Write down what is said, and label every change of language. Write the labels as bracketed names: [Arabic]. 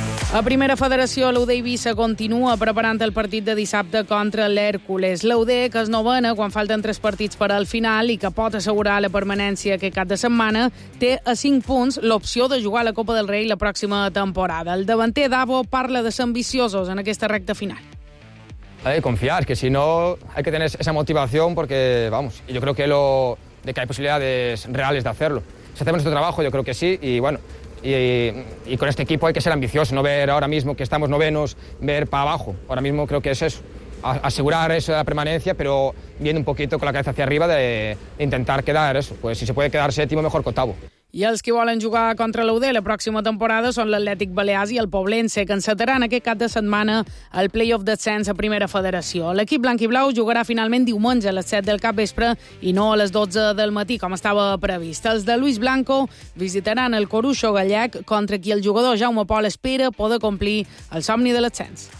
[Catalan] A primera federació, l'UD Eivissa continua preparant el partit de dissabte contra l'Hèrcules. L'UD, que és novena quan falten 3 partits per al final i que pot assegurar la permanència aquest cap de setmana, té a 5 punts l'opció de jugar a la Copa del Rei la pròxima temporada. El davanter Davo parla de ser ambiciosos en aquesta recta final. [Spanish] Hay que confiar, que si no hay que tener esa motivación porque, vamos, yo creo que hay posibilidades reales de hacerlo. Si hacemos nuestro trabajo, yo creo que sí y, bueno, Y con este equipo hay que ser ambicioso, no ver ahora mismo que estamos novenos, ver para abajo. Ahora mismo creo que es eso, asegurar eso de la permanencia, pero viendo un poquito con la cabeza hacia arriba de intentar quedar eso. Pues si se puede quedar séptimo, mejor que octavo. [Catalan] I els que volen jugar contra l'UD la pròxima temporada són l'Atlètic Balears i el Poblense, que encetaran aquest cap de setmana el play-off d'ascens a Primera Federació. L'equip blanquiblau jugarà finalment diumenge a les 7 del capvespre i no a les 12 del matí, com estava previst. Els de Luis Blanco visitaran el Coruixo Gallec, contra qui el jugador Jaume Pol espera poder complir el somni de l'ascens.